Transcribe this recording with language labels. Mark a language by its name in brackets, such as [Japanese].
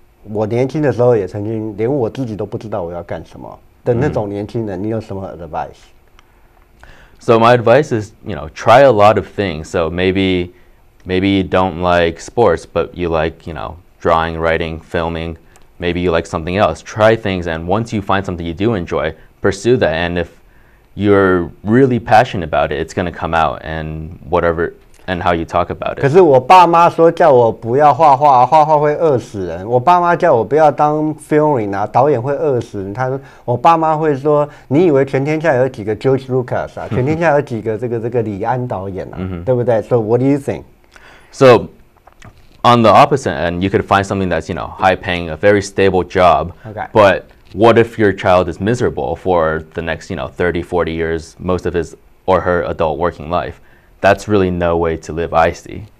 [Chinese] 我年轻的时候也曾经连我自己都不知道我要干什么的那种年轻人，你有什么 advice？ [English] So my advice is, you know, try a lot of things. So maybe you don't like sports, but you like, you know, drawing, writing, filming. Maybe you like something else. Try things, and once you find something you do enjoy, pursue that. And if you're really passionate about it, it's going to come out. And whatever. And how you talk about it. [Chinese] 可是我爸妈说叫我不要画画，画画会饿死人。我爸妈叫我不要当 filming 啊，导演会饿死人。他说，我爸妈会说，你以为全天下有几个 George Lucas 啊？全天下有几个这个李安导演啊？对不对 [English] ？So what do you think? So on the opposite end, you could find something that's, you know, high paying, a very stable job. Okay. But what if your child is miserable for the next, you know, 30, 40 years, most of his or her adult working life? That's really no way to live, I see.